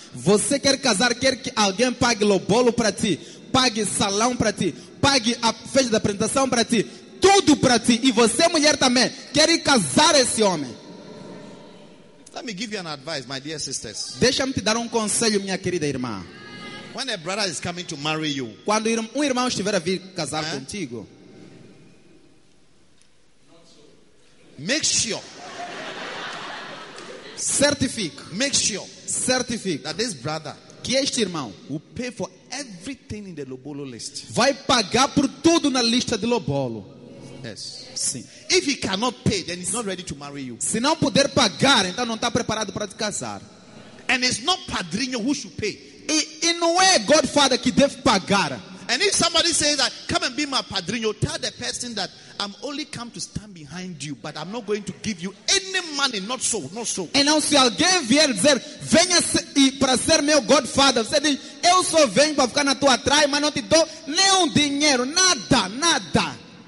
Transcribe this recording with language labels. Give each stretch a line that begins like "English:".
Portuguese: Você quer casar, quer que alguém pague lobolo para ti, pague salão para ti, pague a festa da apresentação para ti, tudo para ti, e você, mulher, também quer casar esse homem.
English: Let me give you an advice, my dear sisters.
Portuguese: Deixa-me te dar um conselho, minha querida irmã.
English: When a brother is coming to marry you,
Portuguese: quando um irmão estiver a vir casar contigo,
English: make sure.
Portuguese: Certifique
English: that this brother,
Portuguese: que este irmão,
English: will pay for everything in the lobolo list.
Portuguese: Vai pagar por tudo na lista de lobolo.
English: Yes.
Portuguese: Sim.
English: If he cannot pay, then he's not ready to marry you.
Portuguese: Se não puder pagar, então não está preparado para te casar.
English: And it's not padrinho who should pay.
Portuguese: E não é Godfather que deve pagar.
English: And if somebody says that, come and be my padrinho, tell the person that I'm only come to stand behind you, but I'm not going to give you any money. Not so.
Portuguese: Então, se alguém vier dizer, venha para ser meu Godfather, você diz, eu só venho para ficar na tua trás, mas não te dou nenhum dinheiro, nada.